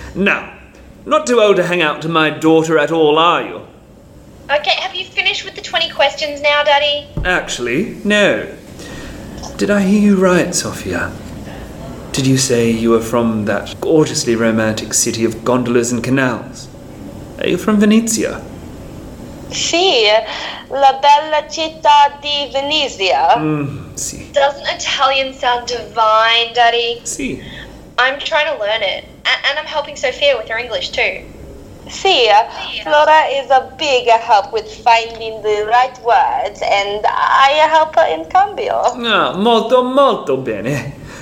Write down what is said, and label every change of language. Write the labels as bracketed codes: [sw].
[en] Now, not too old to hang out to my daughter at all, are you? Okay, have you finished with the 20 questions now, Daddy? Actually, no. Did I hear you right, Sophia? Did you say you were from that gorgeously romantic city of gondolas and canals? Are you from Venezia? [it] Sì, la bella città di Venezia. Sì. [en] Doesn't Italian sound divine, Daddy? [it] Sì. [en] I'm trying to learn it. And I'm helping Sophia with her English, too. Sì, Flora is a big help with finding the right words, and I help her [it] in cambio. Ah, molto, molto bene.